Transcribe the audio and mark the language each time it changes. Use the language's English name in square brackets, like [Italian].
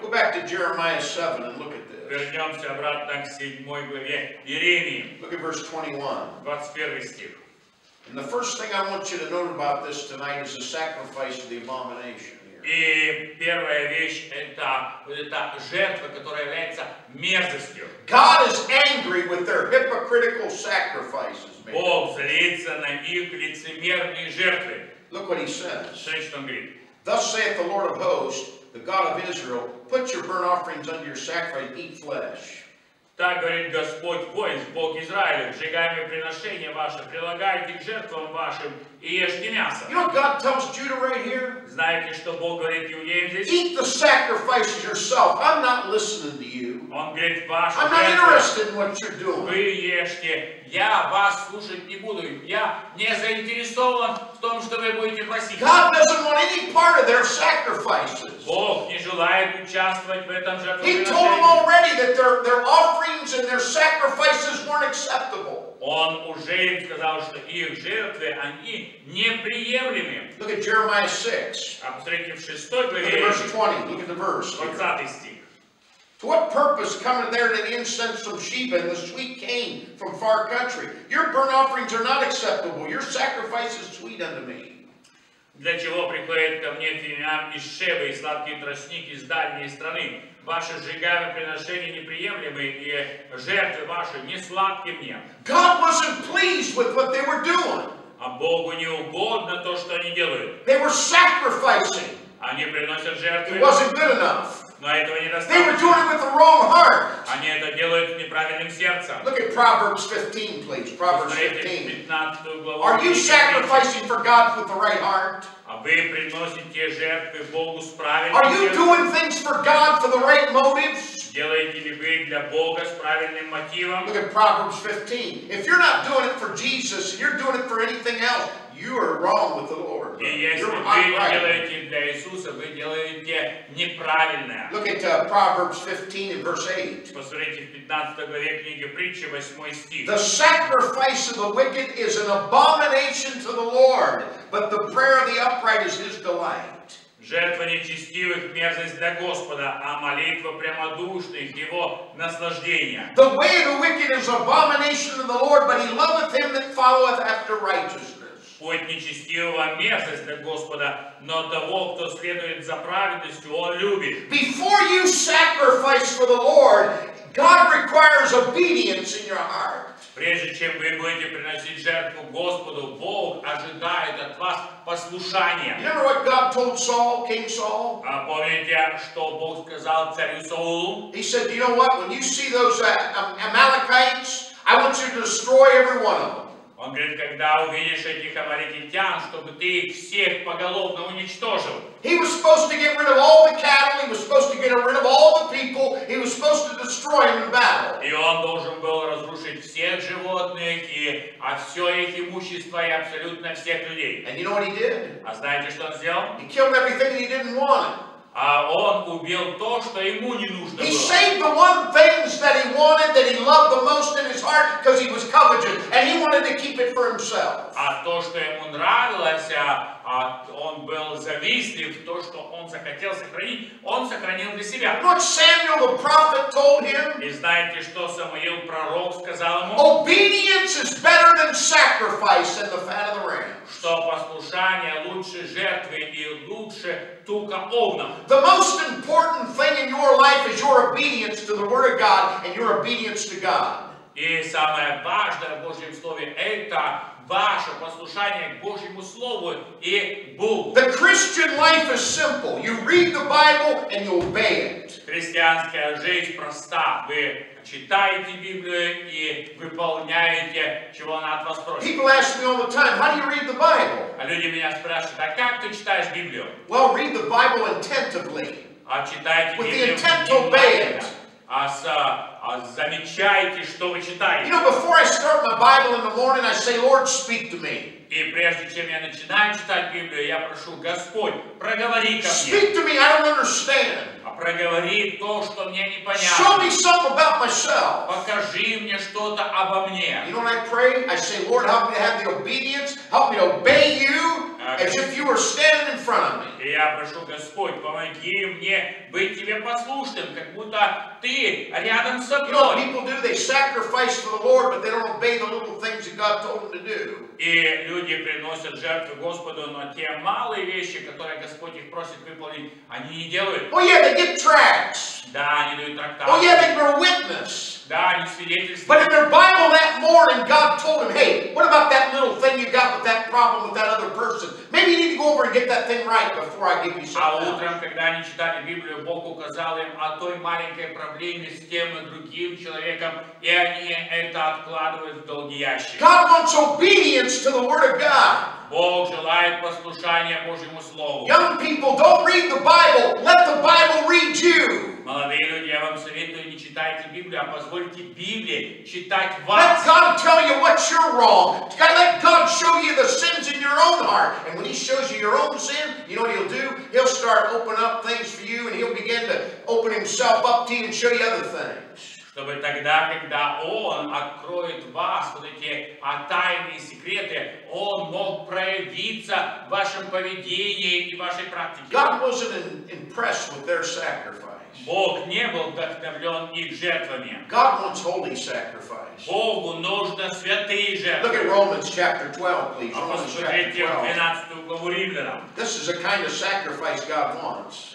[English] Go back to Jeremiah 7 and look at this. [Russian] Вернемся обратно к 7 главе Иеремии. [English] Look at verse 21. [Russian] 21 стих. [English] And the first thing I want you to note about this tonight is the sacrifice of the abomination. [Russian] И первая вещь это жертва, которая является мерзостью. [English] God is angry with their hypocritical sacrifices. [Russian] Бог злится на их лицемерные жертвы. [English] Look what he says. [Russian] Смотри, что он говорит. [English] Thus saith the Lord of hosts, the God of Israel, put your burnt offerings under your sacrifice, eat flesh. [Russian] Так говорит Господь воинств, Бог Израиля, сжигаемые приношения ваши, прилагайте к жертвам вашим и ешьте мясо. [English] You know what God tells Judah right here? [Russian] Знаете, что Бог говорит иудеям здесь? [English] Eat the sacrifices yourself. I'm not listening to you. [Russian] Он говорит, ваши [English] I'm not interested in what you're doing. [Russian] Вы ешьте. Я вас слушать не буду. Я не заинтересован в том, что вы будете просить. [English] God doesn't want any part of their sacrifices. [Russian] Бог не желает участвовать в этом жертвоприношении. [English] He told them already that their offerings and their sacrifices weren't acceptable. [Russian] Он уже им сказал, что их жертвы, они неприемлемы. [English] Look at Jeremiah 6. [Russian] А посмотрите в 6 главе. [English] Look at verse 20. Look at the verse here. [Russian] 20 стих. [English] To what purpose coming there to the incense from Sheba and the sweet cane from far country? Your burnt offerings are not acceptable. Your sacrifice is sweet unto me. [Russian] Для чего приходит ко мне тиньян из Шебы и сладкий тростник из дальней страны? Ваши сжигаемые приношения неприемлемы, и жертвы ваши не сладки мне. [English] God wasn't pleased with what they were doing. [Russian] А Богу не угодно то, что они делают. [English] They were sacrificing. [Russian] Они приносят жертвы. [English] It wasn't good enough. [Russian] Но этого не достаточно. [English] They were doing it with the wrong heart. [Russian] Они это делают с неправильным сердцем. [English] Look at Proverbs 15, please. Proverbs [Russian] 15. 15 главу. [English] Are you sacrificing for God with the right heart? [Russian] А вы приносите жертвы Богу с правильным сердцем? [English] Are you doing things for God for the right motives? [Russian] Делаете ли вы для Бога с правильным мотивом? [English] Look at Proverbs 15. If you're not doing it for Jesus, and you're doing it for anything else, you are wrong with the Lord. [Russian] И если вы делаете для Иисуса, вы делаете неправильное. [English] Look at Proverbs 15 and verse 8. [Russian] Посмотрите в 15 главе книги Притчи, 8 стих. [English] The sacrifice of the wicked is an abomination to the Lord, but the prayer of the upright is his delight. [Russian] Жертва нечестивых – мерзость для Господа, а молитва прямодушных – его наслаждение. [English] The way of the wicked is an abomination to the Lord, but he loveth him that followeth after righteousness. [Russian] Путь нечестивого – мерзость для Господа, но того, кто следует за праведностью, он любит. [English] Before you sacrifice for the Lord, God requires obedience in your heart. [Russian] Прежде чем вы будете приносить жертву Господу, Бог ожидает от вас послушания. [English] You remember what God told Saul, King Saul? [Russian] А помните, что Бог сказал царю Саулу? [English] He said, you know what, when you see those Amalekites, I want you to destroy every one of them. [Russian] Он говорит, когда увидишь этих амаликитян, чтобы ты всех поголовно уничтожил. [English] He was supposed to get rid of all the cattle, he was supposed to get rid of all the people, he was supposed to destroy them in battle. [Russian] И он должен был разрушить всех животных, и все их имущество, и абсолютно всех людей. [English] And you know what he did? [Russian] А знаете, что он сделал? [English] He killed everything he didn't want. [Russian] А он убил то, что ему не нужно было. [English] He saved the one things that he wanted, that he loved the most in his heart, because he was covetous, and he wanted to keep it for himself. [Russian] А то, что ему нравилось, он был завистлив, то, что он захотел сохранить, он сохранил для себя. [English] What Samuel the prophet told him? [Russian] И знаете, что Самуил пророк сказал ему? [English] Obedience is better than sacrifice and the fat of the ram. [Russian] Что послушание лучше жертвы и лучше тука овна. [English] The most important thing in your life is your obedience to the Word of God and your obedience to God. [Russian] И самое важное в Божьем Слове – это ваше послушание к Божьему Слову и Богу. [English] The Christian life is simple. You read the Bible and you obey it. [Russian] Христианская жизнь проста. Вы читаете Библию и выполняете, чего она от вас просит. [English] People ask me all the time, how do you read the Bible? [Russian] А люди меня спрашивают, а как ты читаешь Библию? [English] Well, read the Bible attentively. [Russian] А читайте [English] With [Russian] Библию. [English] With the intent to obey it. [Russian] А замечайте, что вы читаете. [English] You know, before I start my Bible in the morning, I say, Lord, speak to me. [Russian] И прежде чем я начинаю читать Библию, я прошу, Господь, проговори ко мне. [English] Speak to me, I don't understand. [Russian] А проговори то, что мне непонятно. [English] Show me something about myself. [Russian] Покажи мне что-то обо мне. [English] You know, when I pray, I say, Lord, help me to have the obedience, help me to obey you. As if you were standing in front of me. [Russian] Я прошу, Господь, помоги мне быть тебе послушным, как будто ты рядом со мной. [English] You know what people do? They sacrifice for the Lord, but they don't obey the little things that God told them to do. [Russian] И люди приносят жертву Господу, но те малые вещи, которые Господь их просит выполнить, они не делают. [English] Oh yeah, they get tracts. [Russian] Да, они дают трактаты. [English] Oh yeah, they bear witness. [Russian] Да, они свидетельствуют. [English] But in their Bible that morning, God told them, hey, what about that little thing you got with that problem with that other person? Maybe you need to go over and get that thing right before I give you something. [Russian] А утром, когда они читали Библию, Бог указал им о той маленькой проблеме с тем и другим человеком, и они это откладывают в долгий ящик. [English] God wants obedience to the Word of God. [Russian] Бог желает послушания Божьему Слову. [English] Young people, don't read the Bible. Let the Bible read you. [Russian] Молодые люди, я вам советую, не читайте Библию, а позвольте Библии читать вас. [English] Let God tell you what you're wrong. Let God show you the sins in your own heart. And when He shows you your own sin, you know what He'll do? He'll start opening up things for you, and He'll begin to open Himself up to you and show you other things. [Russian] Чтобы тогда, когда Он откроет вас, вот эти тайные секреты, Он мог проявиться в вашем поведении и вашей практике. [English] God wasn't impressed with their sacrifice. [Russian] Бог не был вдохновлен их жертвами. [English] God wants holy sacrifice. [Russian] Богу нужны святые жертвы. [English] Look at Romans chapter 12, please. Romans [Russian] посмотрите [English] chapter 12. [Russian] 12 главу Римлянам. [English] This is the kind of sacrifice God wants.